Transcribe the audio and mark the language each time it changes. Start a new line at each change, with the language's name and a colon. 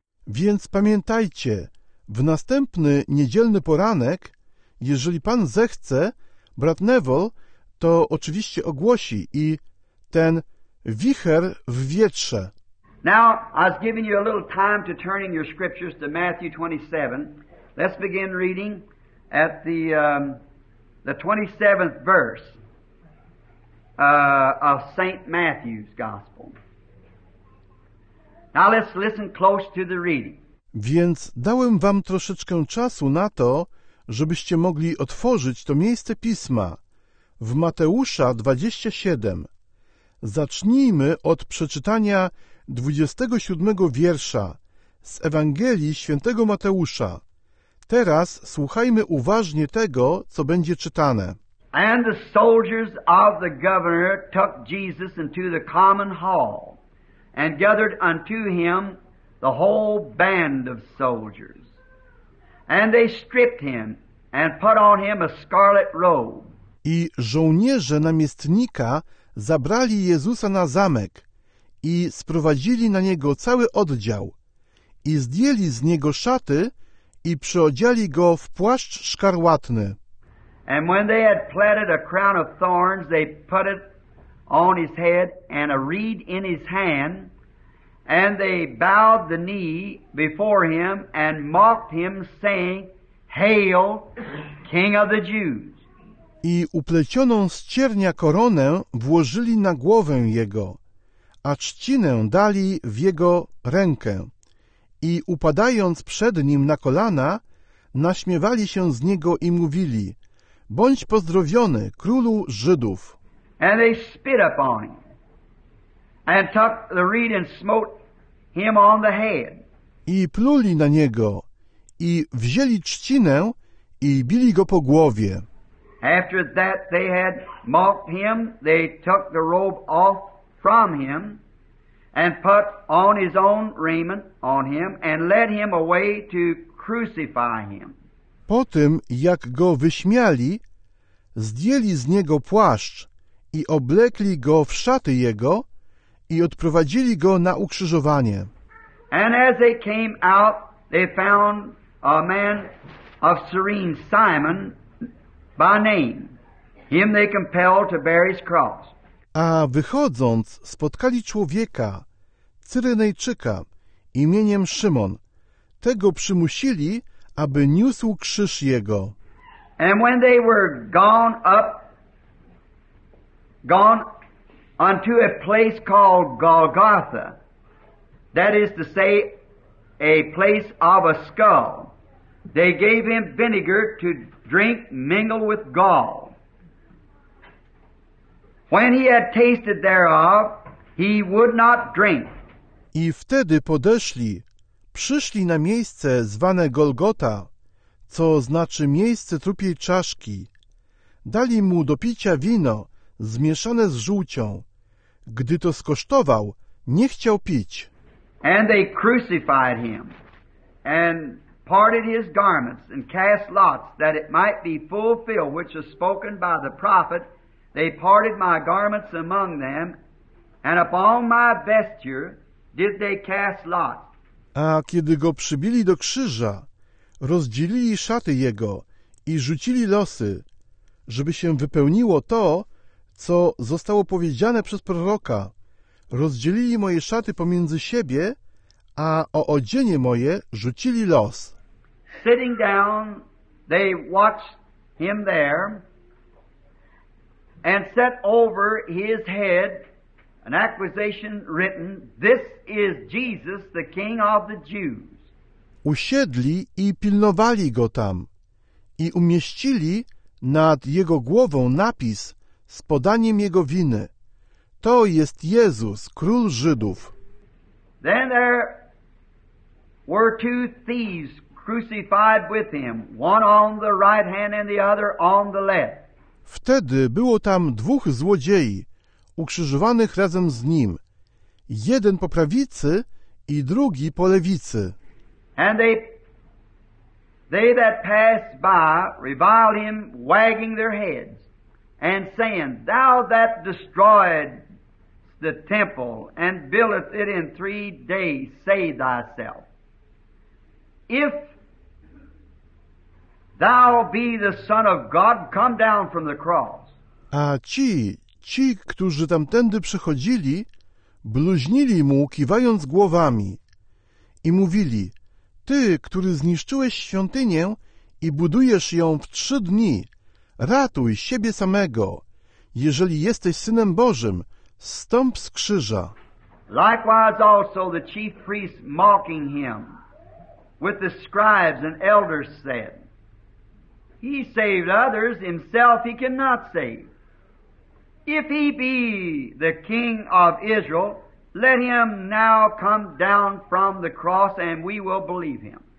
Polish: Więc pamiętajcie, w następny niedzielny poranek, jeżeli Pan zechce, brat Neville to oczywiście ogłosi i ten wicher w wietrze.
English: Now, I've given you a little time to turn in your scriptures to Matthew 27. Let's begin reading at the 27th verse of St. Matthew's Gospel. Now let's listen close to the reading.
Polish: Więc dałem wam troszeczkę czasu na to, żebyście mogli otworzyć to miejsce Pisma w Mateusza 27. Zacznijmy od przeczytania 27 wiersza z Ewangelii Świętego Mateusza. Teraz słuchajmy uważnie tego, co będzie czytane.
English: And the soldiers of the governor took Jesus into the common hall and gathered unto him the whole band of soldiers. And they stripped him and put on him a scarlet robe.
Polish: I żołnierze namiestnika zabrali Jezusa na zamek i sprowadzili na niego cały oddział i zdjęli z niego szaty i przyodziali go w płaszcz szkarłatny.
English: And when they had plaited a crown of thorns, they put it on his head and a reed in his hand, and they bowed the knee before him and mocked him, saying, Hail, King of the Jews!
Polish: I uplecioną z ciernia koronę włożyli na głowę jego, a trzcinę dali w jego rękę. I upadając przed nim na kolana, naśmiewali się z niego i mówili: Bądź pozdrowiony, królu Żydów.
English: And they spit upon him, and took the reed and smote him on the head.
Polish: I pluli na niego, i wzięli trzcinę, i bili go po głowie.
English: After that they had mocked him, they took the robe off from him and put on his own raiment on him and led him away to crucify him.
Polish: Po tym, jak go wyśmiali, zdjęli z niego płaszcz i oblekli go w szaty jego i odprowadzili go na ukrzyżowanie.
English: And as they came out, they found a man of Cyrene, Simon, by name. Him they compelled to bear his cross.
Polish: A wychodząc, spotkali człowieka, Cyrenejczyka, imieniem Szymon. Tego przymusili, aby niósł krzyż jego.
English: And when they were gone up, gone unto a place called Golgotha, that is to say, a place of a skull, they gave him vinegar to drink mingled with gall. When he had tasted thereof, he would not drink.
Polish: I wtedy podeszli, przyszli na miejsce zwane Golgota, co znaczy miejsce trupiej czaszki. Dali mu do picia wino zmieszane z żółcią. Gdy to skosztował, nie chciał pić.
English: And they crucified him and parted his garments and cast lots that it might be fulfilled which was spoken by the prophet. They parted my garments among them and upon my vesture did they cast lots.
Polish: A kiedy go przybili do krzyża, rozdzielili szaty jego i rzucili losy, żeby się wypełniło to, co zostało powiedziane przez proroka. Rozdzielili moje szaty pomiędzy siebie, a o odzienie moje rzucili los.
English: Sitting down, they watched him there and set over his head an accusation written, "This is Jesus, the King of the Jews."
Polish: Usiedli i pilnowali go tam i umieścili nad jego głową napis z podaniem jego winy. To jest Jezus, Król Żydów.
English: Then there were two thieves crucified with him, one on the right hand and the other on the left.
Polish: Wtedy było tam dwóch złodziei, ukrzyżowanych razem z nim, jeden po prawicy i drugi po lewicy.
English: And they that passed by reviled him, wagging their heads, and saying, "Thou that destroyed the temple and buildeth it in 3 days, say thyself, if thou be the Son of God, come down from the cross."
Polish: A ci, którzy tamtędy przychodzili, bluźnili mu, kiwając głowami, i mówili: "Ty, który zniszczyłeś świątynię i budujesz ją w 3 dni, ratuj siebie samego. Jeżeli jesteś Synem Bożym, stąp z krzyża."
English: Likewise also the chief priests mocking him with the scribes and elders said, "He saved others, himself he cannot save. If he be the King of Israel, let him now come down from the cross and we will believe him."